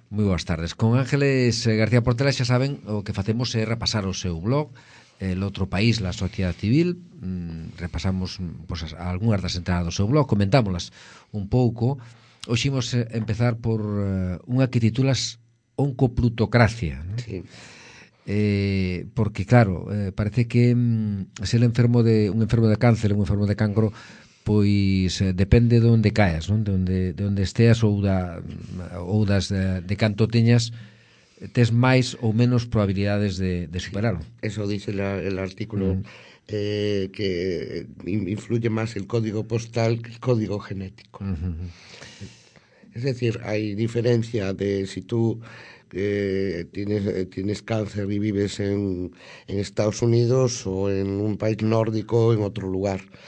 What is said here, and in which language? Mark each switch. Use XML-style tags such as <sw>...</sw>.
<gl>Muy boas tardes. Con Ángeles García Portela xa saben o que facemos é repasar o seu blog El Otro País, la Sociedad Civil. Repasamos pues, algunhas das entradas do seu blog, comentámolas un pouco. Hoxe imos empezar por unha que titulas Oncoplutocracia, ¿no?</gl> <es>Sí.</es> <gl>Porque claro, parece que ser enfermo de un enfermo de cáncer, un enfermo de cancro, pois depende de onde caes, ¿no? de onde esteas ou das de canto teñas, tes máis ou menos probabilidades de superarlo.</gl> <es>Sí, eso dice el artículo. Que influye más el código postal que el código genético. Es decir, hay diferencia de si tú tienes cáncer y vives en Estados Unidos o en un país nórdico o en otro lugar.</es>